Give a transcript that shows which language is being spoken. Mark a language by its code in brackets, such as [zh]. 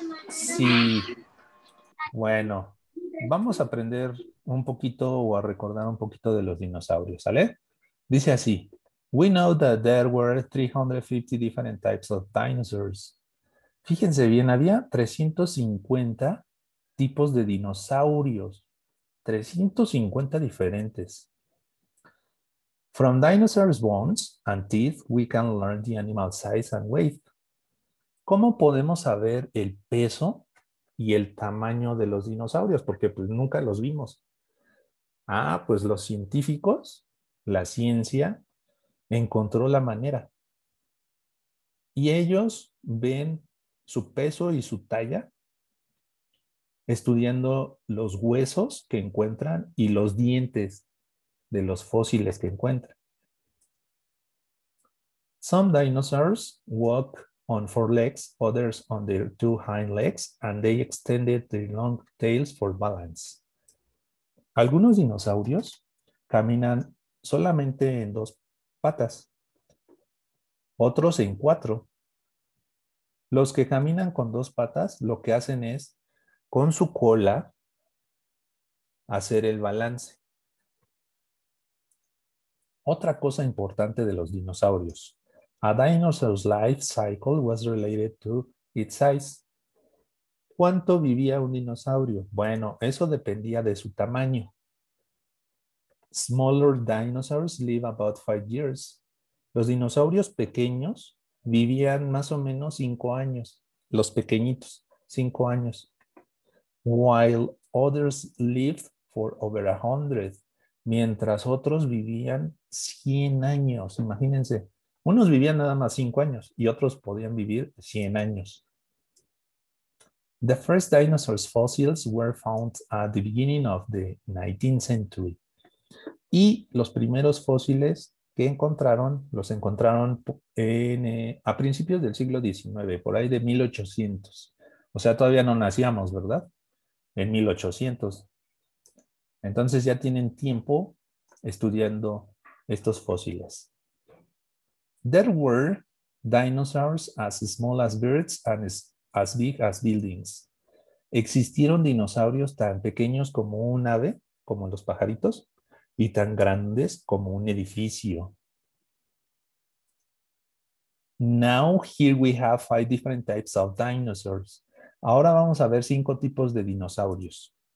[es] Sí. Bueno, vamos a aprender un poquito o a recordar un poquito de los dinosaurios, ¿sale? Dice así. [en] We know that there were 350 different types of dinosaurs. [es] Fíjense bien, había 350 tipos de dinosaurios. 350 diferentes. [en] From dinosaurs' bones and teeth, we can learn the animal size and weight. [es] ¿Cómo podemos saber el peso y el tamaño de los dinosaurios? Porque pues nunca los vimos. Ah, pues los científicos, la ciencia, encontró la manera. Y ellos ven su peso y su talla estudiando los huesos que encuentran y los dientes de los fósiles que encuentran. [en] Some dinosaurs walk on four legs, others on their two hind legs, and they extended their long tails for balance. [es] Algunos dinosaurios caminan solamente en dos patas, otros en cuatro. Los que caminan con dos patas, lo que hacen es, con su cola, hacer el balance. Otra cosa importante de los dinosaurios. [en] A dinosaur's life cycle was related to its size. [es] ¿Cuánto vivía un dinosaurio? Bueno, eso dependía de su tamaño. [en] Smaller dinosaurs live about 5 years. [es] Los dinosaurios pequeños vivían más o menos 5 años. Los pequeñitos, 5 años. [en] While others lived for over 100. [es] Mientras otros vivían 100 años, imagínense. Unos vivían nada más 5 años y otros podían vivir 100 años. [en] The first dinosaur's fossils were found at the beginning of the 19th century. [es] Y los primeros fósiles que encontraron, los encontraron a principios del siglo XIX, por ahí de 1800. O sea, todavía no nacíamos, ¿verdad? En 1800. Entonces ya tienen tiempo estudiando estos fósiles. [en] There were dinosaurs as small as birds and as big as buildings. [es] Existieron dinosaurios tan pequeños como un ave, como los pajaritos, y tan grandes como un edificio. [en] Now here we have 5 different types of dinosaurs. [es] Ahora vamos a ver 5 tipos de dinosaurios.